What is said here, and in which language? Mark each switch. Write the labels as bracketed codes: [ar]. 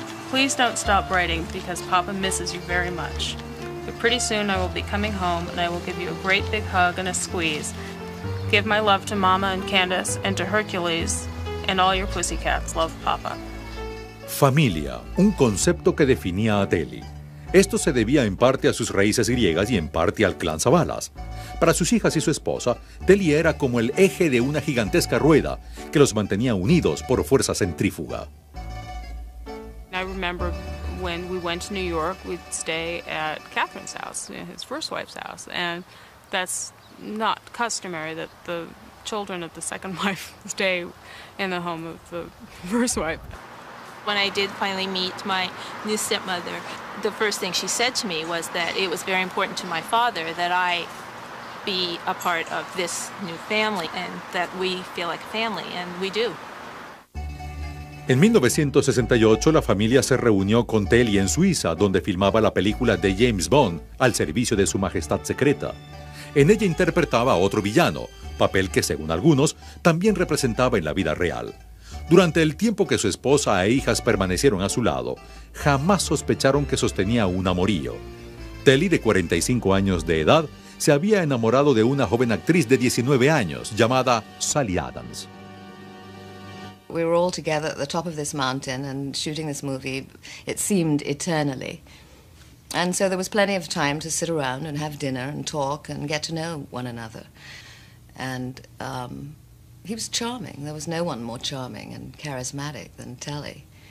[en] Please don't stop writing because Papa misses you very much. But pretty soon I will be coming home and I will give you a great big hug and a squeeze. Give my love to Mama and Candace and to Hercules and all your pussycats. Love, Papa. [es] Familia, un concepto que definía a Telly. Esto se debía en parte a sus raíces griegas y en parte al clan Zabalas. Para sus hijas y su esposa, Telly era como el eje de una gigantesca rueda que los mantenía unidos por fuerza centrífuga. [en] I remember when we went to New York, we'd stay at Catherine's house, his first wife's house, and that's not customary that the children of the second wife stay in the home of the first wife. When I did finally meet my new stepmother, the first thing she said to me was that it was very important to my father that I be a part of this new family and that we feel like a family, and we do. [es] En 1968, la familia se reunió con Telly en Suiza, donde filmaba la película de James Bond, Al servicio de su majestad secreta. En ella interpretaba a otro villano, papel que, según algunos, también representaba en la vida real. Durante el tiempo que su esposa e hijas permanecieron a su lado, jamás sospecharon que sostenía un amorío. Telly, de 45 años de edad, se había enamorado de una joven actriz de 19 años, llamada Sally Adams. [en] We were all together at the top of this mountain and shooting this movie, it seemed eternally. And so there was plenty of time to sit around and have dinner and talk and get to know one another. And he was charming. There was no one more charming and charismatic than Telly.